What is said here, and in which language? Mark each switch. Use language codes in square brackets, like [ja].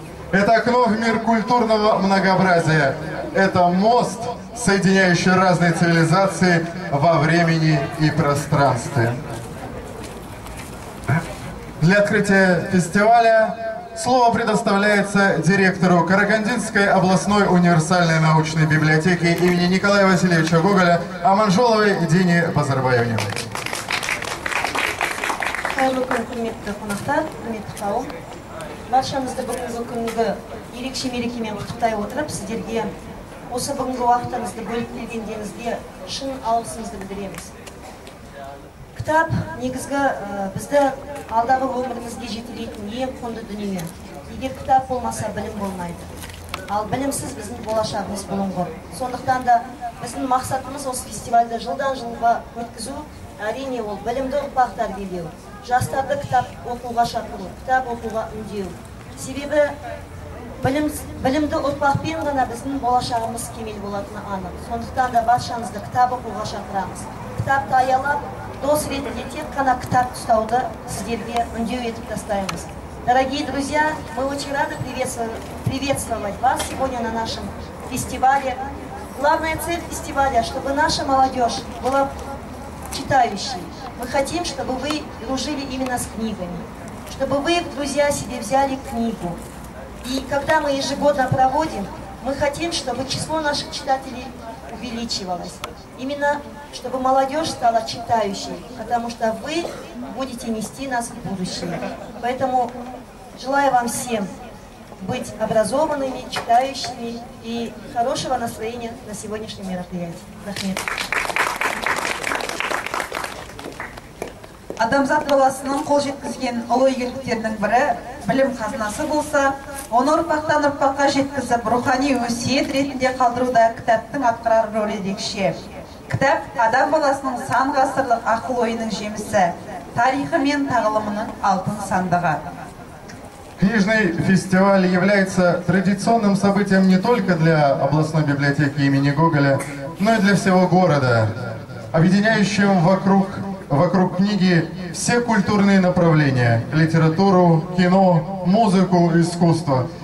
[ru] Это окно в мир культурного многообразия. Это мост, соединяющий разные цивилизации во времени и пространстве. Для открытия фестиваля слово предоставляется директору Карагандинской областной универсальной научной библиотеки имени Николая Васильевича Гоголя Аманжоловой Дине Базарбаевне. [kk] Қайырлы күн, құрметті қонақтар, құрметті қауым. Баршамызды бүгінгі күнгі ерекше мерекемен құттықтай отырып, сіздерге осы бүгінгі уақытыңызды бөліп бергендеріңізге шын алғысымызды білдіреміз. Кітап негізгі бізді алдағы өмірімізге жетелейтін ең құнды дүние. Егер кітап болмаса, білім болмайды. Ал білімсіз біздің болашағымыз бұлыңғыр. Сондықтан да біздің мақсатымыз осы фестивальді жылдан жылға өткізу, әрине ол білімді ұрпақтар белгілеу, жастарды кітап оқуға шақыру, кітап оқуға үндеу. Себебі білімді ұрпақпен ғана біздің болашағымыз кемел болатыны анық. Сондықтан да баршаңызды кітап оқуға шақырамыз. Кітапты аялап, дос ретінде тек қана кітап ұстауды сіздерге үндеу етіп тастаймыз. [ru] Дорогие друзья, мы очень рады приветствовать вас сегодня на нашем фестивале. Главная цель фестиваля, чтобы наша молодежь была читающей. Мы хотим, чтобы вы дружили именно с книгами, чтобы вы, друзья, себе взяли книгу. И когда мы ежегодно проводим, мы хотим, чтобы число наших читателей увеличивалось. Именно чтобы молодежь стала читающей, потому что вы будете нести нас в будущее. Поэтому желаю вам всем быть образованными, читающими и хорошего настроения на сегодняшнем мероприятии. [kk] Рахмет. Адамзат баласының қол жеткізген ұлы игіліктерінің бірі білім қазынасы болса, оны ұрпақтан ұрпаққа жеткізіп, рухани өсиет ретінде қалдыруда кітаптың атқарар рөлі ерекше. Кітап адам баласының сан ғасырлық ақыл ойының жемісі, тарихы мен тағылымының алтын сандығы. [ru] Книжный фестиваль является традиционным событием не только для областной библиотеки имени Гоголя, но и для всего города, объединяющим вокруг книги все культурные направления – литературу, кино, музыку, искусство.